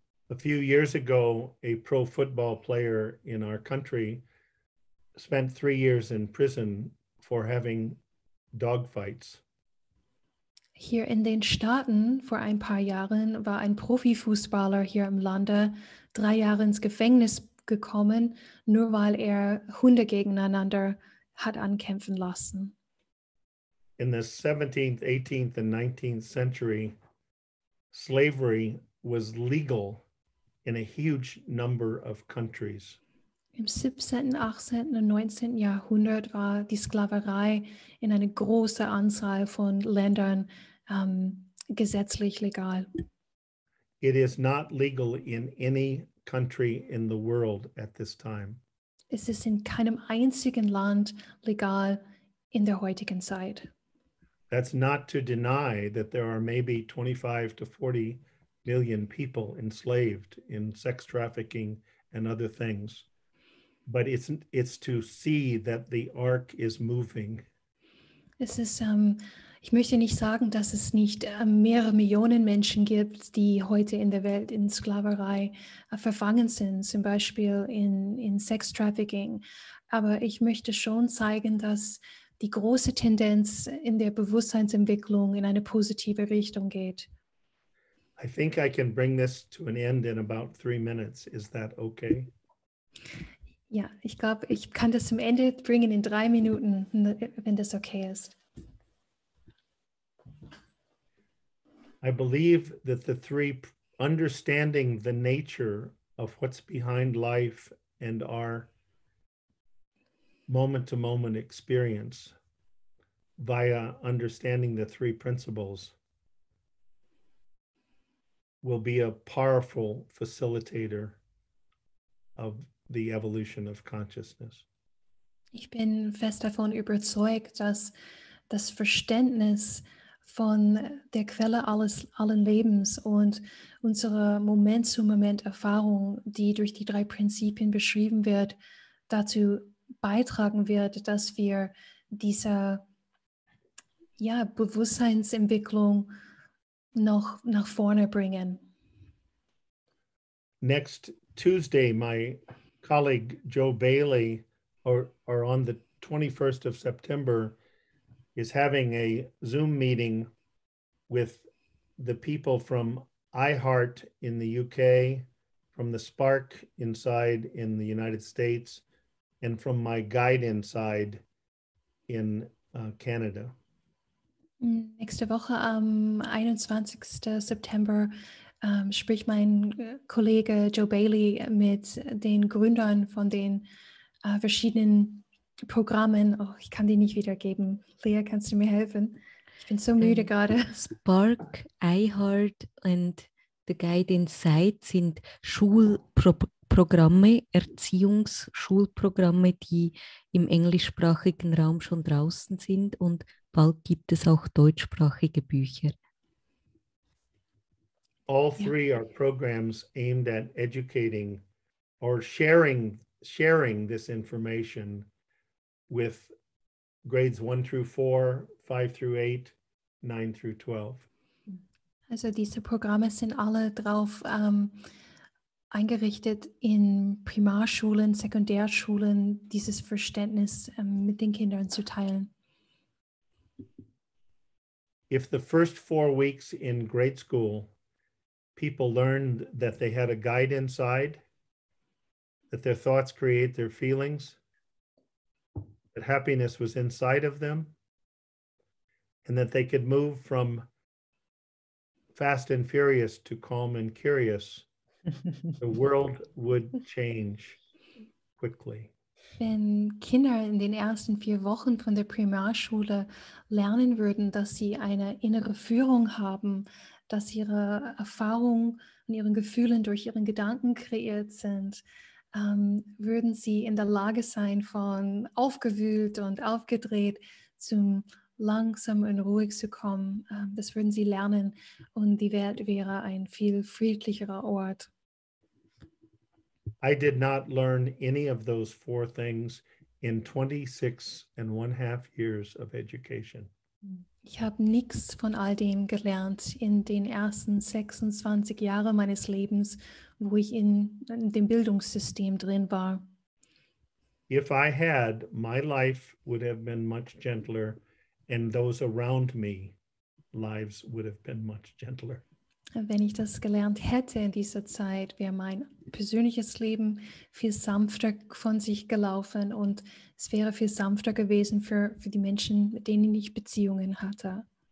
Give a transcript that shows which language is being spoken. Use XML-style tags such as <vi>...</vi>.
<en>A few years ago, a pro football player in our country spent 3 years in prison for having dogfights.</en> <de>Hier in den Staaten vor ein paar Jahren war ein Profifußballer hier im Lande 3 Jahre ins Gefängnis gekommen, nur weil er Hunde gegeneinander hat ankämpfen lassen.</de> <en>In the 17th, 18th, and 19th century, slavery was legal in a huge number of countries.</en> <de>Im 17., 18. und 19. Jahrhundert war die Sklaverei in eine große Anzahl von Ländern gesetzlich legal.</de> <en>It is not legal in any country in the world at this time.</en> <de>Es ist in keinem einzigen Land legal in der heutigen Zeit.</de> <en>That's not to deny that there are maybe 25 to 40 million people enslaved in sex trafficking and other things. But it's to see that the arc is moving.</en> <de>Es ist, ich möchte nicht sagen, dass es nicht mehrere Millionen Menschen gibt, die heute in der Welt in Sklaverei verfangen sind, zum Beispiel in Sex Trafficking. Aber ich möchte schon zeigen, dass die große Tendenz in der Bewusstseinsentwicklung in eine positive Richtung geht.</de> <en>I think I can bring this to an end in about 3 minutes. Is that okay?</en> <de>Ja, ich glaube, ich kann das zum Ende bringen in 3 Minuten, wenn das okay ist.</de> <en>I believe that the three, understanding the nature of what's behind life and our moment-to-moment experience via understanding the three principles will be a powerful facilitator of the evolution of consciousness.</en> <de>Ich bin fest davon überzeugt, dass das Verständnis von der Quelle allen Lebens und unsere Moment-zu-Moment-Erfahrung, die durch die drei Prinzipien beschrieben wird, dazu beitragen wird, dass wir dieser Bewusstseinsentwicklung noch nach vorne bringen.</de> <en>Next Tuesday, my colleague Joe Bailey, or on the 21st of September, is having a Zoom meeting with the people from iHeart in the UK, from the Spark inside in the United States, and from my guide inside in Canada.</en> <de>Nächste Woche, am 21. September, spricht mein Kollege Joe Bailey mit den Gründern von den verschiedenen Programmen. Oh, ich kann die nicht wiedergeben. Lea, kannst du mir helfen? Ich bin so müde gerade. Spark, iHeart und The Guide Inside sind Schulprogramme, Erziehungsschulprogramme, die im englischsprachigen Raum schon draußen sind. Und bald gibt es auch deutschsprachige Bücher.</de> <en>All three are programs aimed at educating or sharing this information with grades 1 through 4, 5 through 8. 9 through 12.</en> <de>Also diese Programme sind alle drauf eingerichtet in Primarschulen, Sekundärschulen, dieses Verständnis mit den Kindern zu teilen?</de> <en>If the first 4 weeks in grade school, people learned that they had a guide inside, that their thoughts create their feelings, that happiness was inside of them, and that they could move from fast and furious to calm and curious, the world would change quickly.</en> <de>Wenn Kinder in den ersten 4 Wochen von der Primarschule lernen würden, dass sie eine innere Führung haben, dass ihre Erfahrungen und ihre Gefühle durch ihren Gedanken kreiert sind, würden sie in der Lage sein, von aufgewühlt und aufgedreht zum langsam und ruhig zu kommen. Das würden sie lernen und die Welt wäre ein viel friedlicherer Ort.</de> <en>I did not learn any of those 4 things in 26 and one half years of education.</en> <de>Ich habe nichts von all dem gelernt in den ersten 26 Jahren meines Lebens, wo ich in dem Bildungssystem drin war.</de> <en>If I had, my life would have been much gentler and those around me lives would have been much gentler.</en> <de>Wenn ich das gelernt hätte in dieser Zeit, wäre mein persönliches Leben viel sanfter von sich gelaufen und es wäre viel sanfter gewesen für die Menschen, mit denen ich Beziehungen hatte.</de>